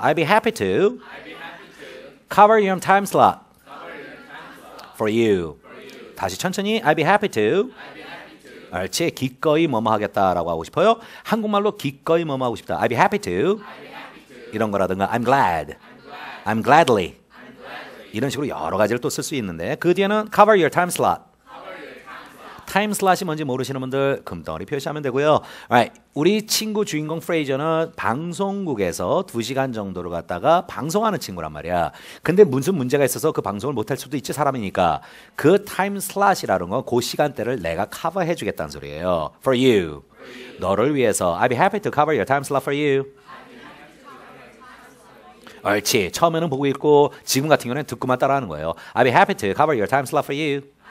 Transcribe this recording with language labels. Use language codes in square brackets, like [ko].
[en] I'd be happy to cover your time slot for you. [ko] 다시 천천히 [en] I'd be happy to. [ko] 알지? 기꺼이 뭐뭐 하겠다라고 하고 싶어요. 한국말로 기꺼이 뭐뭐 하고 싶다. [en] I'd be happy to. [ko] 이런 거라든가 [en] I'm glad. I'm gladly. [ko] 이런 식으로 여러 가지를 또 쓸 수 있는데 그 뒤에는 [en] cover your time slot. [ko] 타임 슬롯이 뭔지 모르시는 분들 금덩어리 표시하면 되고요. [en] Alright. [ko] 우리 친구 주인공 프레이저는 방송국에서 2시간 정도를 갔다가 방송하는 친구란 말이야. 근데 무슨 문제가 있어서 그 방송을 못할 수도 있지, 사람이니까. 그 타임 슬롯이라는 건 그 시간대를 내가 커버해 주겠다는 소리예요. [en] For you. [ko] 너를 위해서. [en] I'd be happy to cover your time slot for you. [ko] 옳지. 처음에는 보고 있고 지금 같은 경우는 듣고만 따라하는 거예요. [en] I'd be happy to cover your time slot for you.